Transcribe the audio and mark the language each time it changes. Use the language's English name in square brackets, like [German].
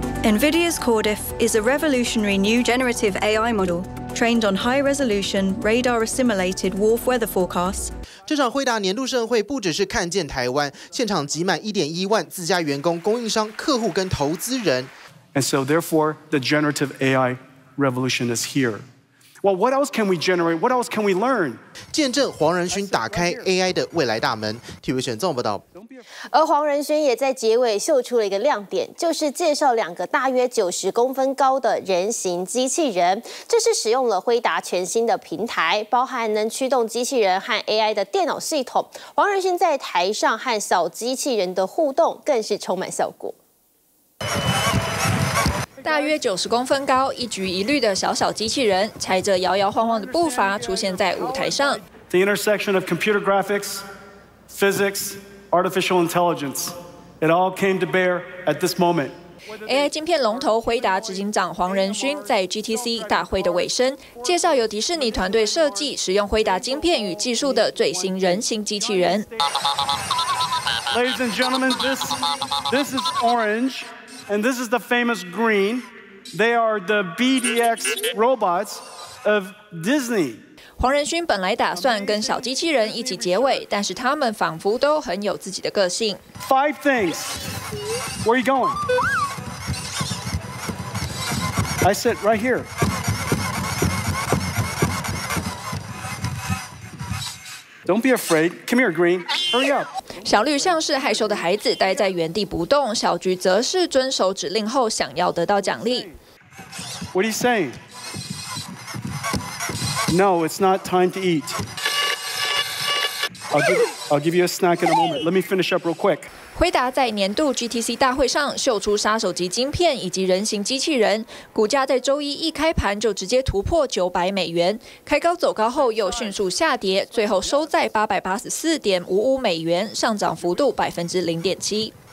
[English] NVIDIA's Cordiff is a revolutionary new generative AI model. Trained on high-resolution radar-assimilated wolf weather forecasts. [Chinese] 这场辉达年度盛会不只是看见台湾，现场挤满1.1万自家员工、供应商、客户跟投资人。 [English] And so, therefore, the generative AI revolution is here. Well, what else can we generate? What else can we learn? [Chinese] 见证黄仁勋打开 AI 的未来大门。 TV 选综报道。而黄仁勋也在结尾秀出了一个亮点，就是介绍两个大约90公分高的人形机器人。这是使用了辉达全新的平台，包含能驱动机器人和 AI 的电脑系统。黄仁勋在台上和小机器人的互动更是充满效果。大约90公分高、一举一律的小小机器人，踩着摇摇晃晃的步伐出现在舞台上。 [English] The intersection of computer graphics, physics. Artificial intelligence, it all came to bear at this moment. [Chinese] AI 晶片龙头辉达执行长黄仁勋在 GTC 大会的尾声，介绍由迪士尼团队设计、使用辉达晶片与技术的最新人形机器人。 [English] Ladies and gentlemen, this is orange, and this is the famous green. They are the BDX robots of Disney. [Chinese] 黄仁勋本来打算跟小机器人一起结尾，但是他们仿佛都很有自己的个性。 [English] Five things. Where are you going? I sit right here. Don't be afraid. Come here, Green. Hurry up. [Chinese] 小绿像是害羞的孩子，待在原地不动。小橘则是遵守指令后，想要得到奖励。 [English] What are you saying? No, it's not time to eat. I'll give you a snack in a moment. Let me finish up real quick. [Chinese] 辉达在年度 GTC 大会上秀出杀手级晶片以及人形机器人，股价在周一一开盘就直接突破900美元，开高走高后又迅速下跌，最后收在884.55美元，上涨幅度0.7%。